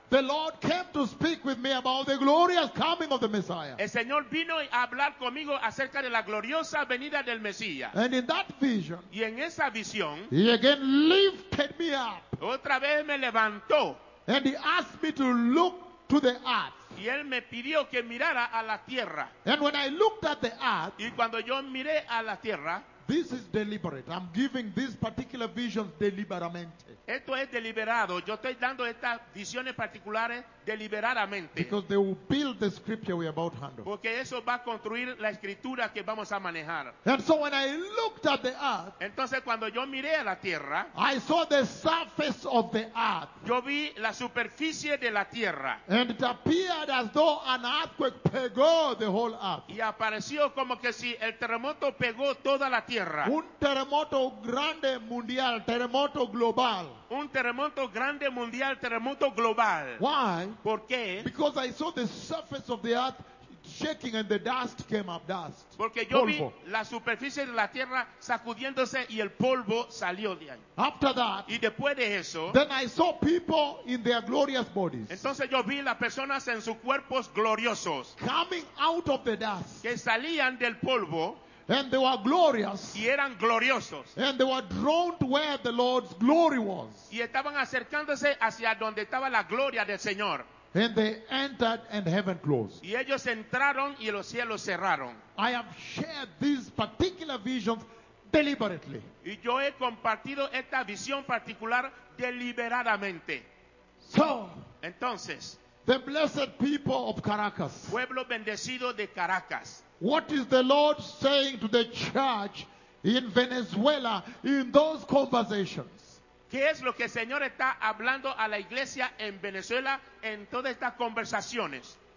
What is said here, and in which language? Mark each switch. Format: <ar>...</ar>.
<en>The Lord came to speak with me about the glorious coming of the Messiah.</en> <es>El Señor vino a hablar conmigo acerca de la gloriosa venida del Mesías.</es> <en>And in that vision.</en> <es>Y en esa visión.</es> <en>He again lifted me up.</en> <es>Otra vez me levantó.</es> <en>And he asked me to look to the earth.</en> <es>Y él me pidió que mirara a la tierra.</es> <en>And when I looked at the earth.</en> <es>Y cuando yo miré a la tierra.</es> <en>This is deliberate. I'm giving this particular vision deliberately.</en> <es>Esto es deliberado. Yo estoy dando estas visiones particulares deliberadamente.</es> <en>Because they will build the scripture we are about to handle.</en> <es>Porque eso va a construir la escritura que vamos a manejar.</es> <en>And so when I looked at the earth,</en> <es>entonces cuando yo miré a la tierra,</es> <en>I saw the surface of the earth.</en> <es>Yo vi la superficie de la tierra.</es> <en>And it appeared as though an earthquake pegó the whole earth.</en> <es>Y apareció como que si el terremoto pegó toda la tierra. Un terremoto grande mundial, terremoto global. Un terremoto grande mundial, terremoto global.</es> <en>Why?</en> <es>¿Por qué?</es> <en>Because I saw the surface of the earth shaking and the dust came up, dust.</en> <es>Porque yo polvo. Vi la superficie de la tierra sacudiéndose y el polvo salió de ahí.</es> <en>After that,</en> <es>y después de eso,</es> <en>then I saw people in their glorious bodies.</en> <es>Entonces yo vi las personas en sus cuerpos gloriosos.</es> <en>Coming out of the dust.</en> <es>Que salían del polvo.</es> <en>And they were glorious.</en> <es>Y eran gloriosos.</es> <en>And they were drawn to where the Lord's glory was.</en> <es>Y estaban acercándose hacia donde estaba la gloria del Señor.</es> <en>And they entered and heaven closed.</en> <es>Y ellos entraron y los cielos cerraron.</es> <en>I have shared these particular visions deliberately.</en> <es>Y yo he compartido esta visión particular deliberadamente.</es> <en>So,</en> <es>entonces,</es> <en>the blessed people of Caracas.</en> <es>Pueblo bendecido de Caracas.</es> <en>What is the Lord saying to the church in Venezuela in those conversations?</en> <es>¿Qué es lo que el Señor está hablando a la iglesia en Venezuela en todas estas conversaciones?</es>